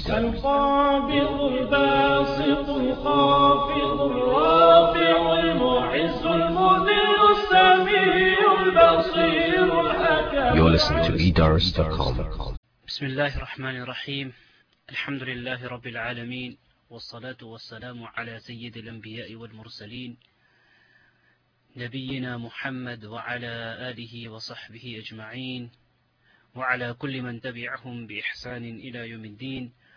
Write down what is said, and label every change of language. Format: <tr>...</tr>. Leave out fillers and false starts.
<ar>القابض الباسط الخافض الرافع المعز المذل السميع البصير الحكيم.</ar> <en>You're listening to Eidars.com.</en> <ar>بسم الله الرحمن الرحيم. الحمد لله رب العالمين، والصلاة والسلام على سيد الأنبياء والمرسلين نبينا محمد وعلى آله وصحبه أجمعين، وعلى كل من تبعهم بإحسان إلى يوم الدين.</ar>